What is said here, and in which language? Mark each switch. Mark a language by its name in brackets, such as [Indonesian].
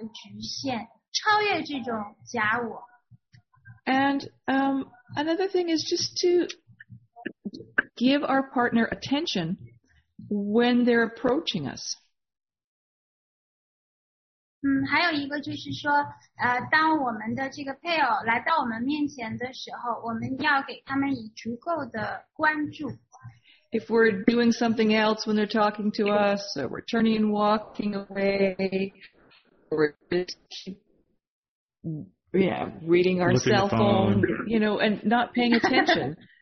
[Chinese] 所以在这个时候我们就是要有一种谦卑的和尊重的这种心态。我们要突破自己的这种小小的假我的局限,超越这种假我。 [English] And another thing is just to give our partner attention when they're approaching us. [Chinese] 还有一个就是说,当我们的这个配偶来到我们面前的时候,我们要给他们以足够的关注。 [English] If we're doing something else when they're talking to us, or we're turning and walking away, or just reading our looking cell phone, you know, and not paying attention.